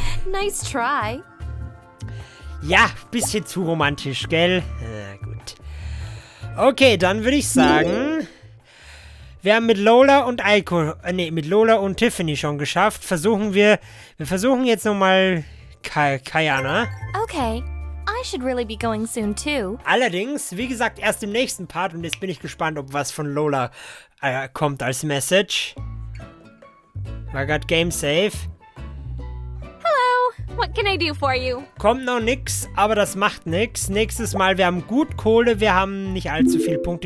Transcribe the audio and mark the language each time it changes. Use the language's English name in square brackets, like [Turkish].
[English] Nice try. [German] Ja, bisschen zu romantisch, gell? Gut. Okay, dann würde ich sagen, wir haben mit Lola und Aiko, mit Lola und Tiffany schon geschafft. Wir versuchen jetzt nochmal Kayana. [English] Okay, I should really be going soon too. [German] Allerdings, wie gesagt, erst im nächsten Part und jetzt bin ich gespannt, ob was von Lola kommt als Message. War gerade Game Save. [English] What can I do for you? [German] Kommt noch nix, aber das macht nix. Nächstes Mal, wir haben gut Kohle, wir haben nicht allzu viele Punkte.